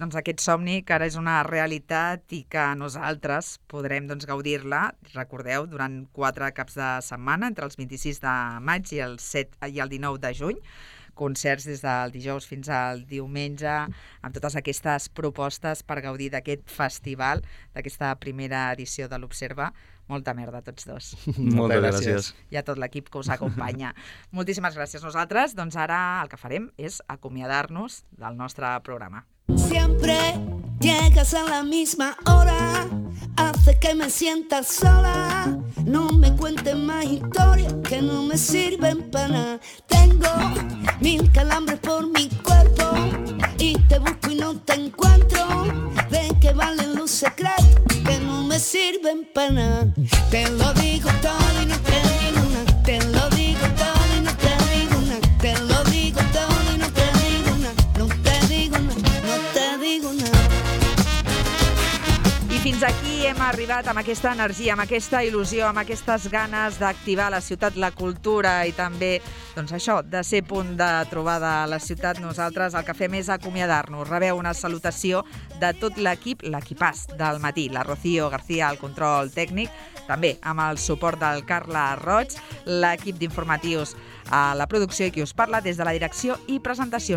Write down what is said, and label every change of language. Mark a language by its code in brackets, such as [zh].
[ca] Doncs aquest somni, que ara és una realitat i que nosaltres podrem, doncs, gaudir-la, recordeu, durant 4 caps de setmana, entre els 26 de maig i el 7 i el 19 de juny, concerts des del dijous fins al diumenge, amb totes aquestes propostes per gaudir d'aquest festival, d'aquesta primera edició de l'Observa. Molta merda a tots dos. Moltes gràcies. I a tot l'equip que us acompanya. Moltíssimes gràcies a nosaltres. Doncs ara el que farem és acomiadar-nos del nostre programa. [es] Siempre llegas a la misma hora, hace que me sienta sola. No me cuenten más historias que no me sirven para nada. Tengo mil calambres por mi cuerpo y te busco y no te encuentro. ¿De qué valen los secretos que no me sirven para nada? Te lo digo todo y no te digo nada. Te lo digo todo y no te digo nada. Te lo digo todo y no te digo nada. No te digo nada. No te digo nada. [ca] Y fins aquí hem arribat amb aquesta energia, amb aquesta il·lusió, amb aquestes ganes d'activar la ciutat, la cultura i també, doncs, això, de ser punt de trobada a la ciutat. Nosaltres el que fem és acomiadar-nos. Rebeu una salutació de tot l'equip, l'equipàs del matí, la Rocío García al control tècnic, també amb el suport del Carla Roig, l'equip d'informatius a la producció i qui us parla des de la direcció i presentació.